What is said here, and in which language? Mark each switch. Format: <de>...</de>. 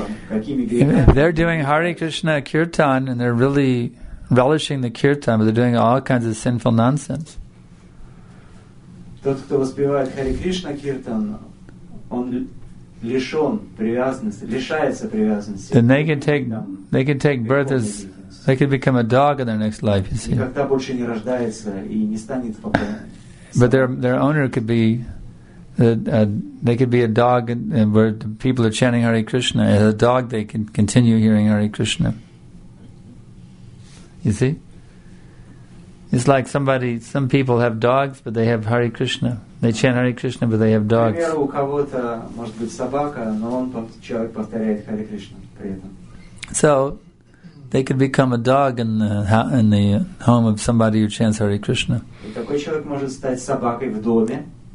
<en>They're doing Hare Krishna kirtan and they're really relishing the kirtan, but they're doing all kinds of sinful nonsense.</en> <ru>Тот, кто воспевает Hare Krishna kirtan, он лишён привязанности, лишается привязанности.</ru> <en>Then they can take birth as they could become a dog in their next life, you see.</en> <ru>Никогда больше не рождается и не станет потом.</ru> <en>But their owner could be they could be a dog and where the people are chanting Hare Krishna. As a dog, they can continue hearing Hare Krishna. You see? It's like somebody, some people have dogs, but they have Hare Krishna. They chant Hare Krishna, but they have dogs. For example,</en> <ru>у кого-то может быть собака, но он человек повторяет Hare Krishna при этом.</ru> <en>So they could become a dog in the home of somebody who chants Hare Krishna.</en> <ru>Такой человек может стать собакой в доме.</ru>